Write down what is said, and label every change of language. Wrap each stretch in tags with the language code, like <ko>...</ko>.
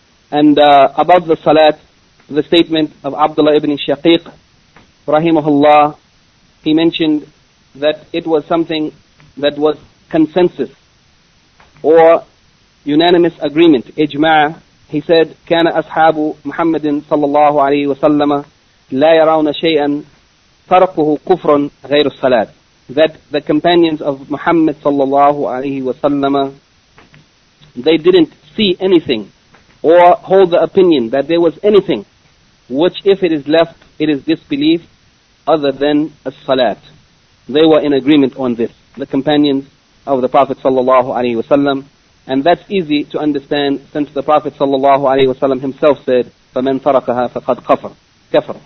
<en>And about the salat, the statement of Abdullah ibn Shaqiq, rahimahullah, he mentioned that it was something that was consensus or unanimous agreement, ijma'. He said,</en> <ar>كان أصحاب محمد صلى الله عليه وسلم لا يرون شيئا تركه كفر غير الصلاة.</ar> <en>That the companions of Muhammad</en> <ar>صلى الله عليه وسلم,</ar> <en>they didn't see anything or hold the opinion that there was anything which if it is left, it is disbelief other than a salat. They were in agreement on this, the companions of the Prophet sallallahu alaihi wasallam, and that's easy to understand since the Prophet sallallahu alaihi wasallam himself said,</en> <ar>فَمَنْ فَرَقَهَا فَقَدْ كَفَرْ.</ar>